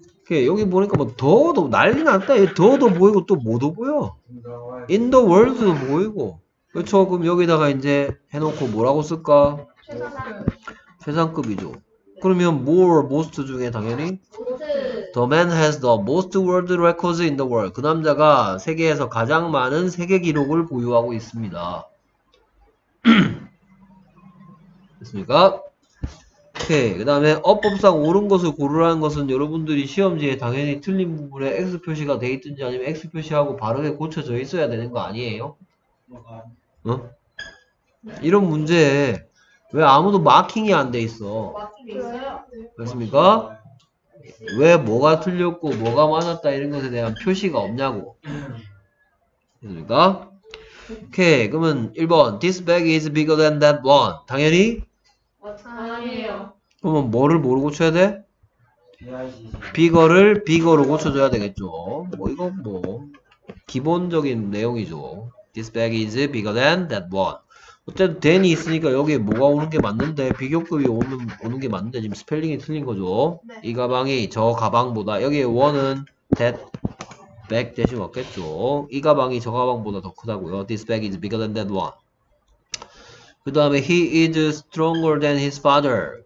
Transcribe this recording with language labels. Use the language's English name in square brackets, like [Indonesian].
[Korean] 여기 보니까 뭐 더도 난리 났다. 얘 더도 보이고 또 뭐도 보여. [English] In the world [Korean] 도 보이고. 그렇죠. 그럼 여기다가 이제 해놓고 뭐라고 쓸까? 최상급이죠. 그러면 [English] more, most [Korean] 중에 당연히 [English] the man has the most world records in the world. [Korean] 그 남자가 세계에서 가장 많은 세계 기록을 보유하고 있습니다. 됐습니까? 오케이. 그 다음에 어법상 옳은 것을 고르라는 것은 여러분들이 시험지에 당연히 틀린 부분에 X 표시가 돼 있든지 아니면 X 표시하고 바르게 고쳐져 있어야 되는 거 아니에요? 어? 이런 문제 왜 아무도 마킹이 안 돼 있어? 그렇습니까? 왜 뭐가 틀렸고 뭐가 맞았다 이런 것에 대한 표시가 없냐고. 그렇습니까? 오케이. 그러면 1번 [English] This bag is bigger than that one. [Korean] 당연히 아니에요. 그러면 뭐를 뭐로 고쳐야 돼? 비거를 비거로 고쳐줘야 되겠죠. 뭐 이건 뭐 기본적인 내용이죠. [English] This bag is bigger than that one. [Korean] 어쨌든 than이 있으니까 여기에 뭐가 오는 게 맞는데 비교급이 오는 게 맞는데 지금 스펠링이 틀린 거죠. 네. 이 가방이 저 가방보다 여기에 one은 that bag 대신 왔겠죠. 이 가방이 저 가방보다 더 크다고요. [English] This bag is bigger than that one. [Korean] 그 다음에 [English] he is stronger than his father.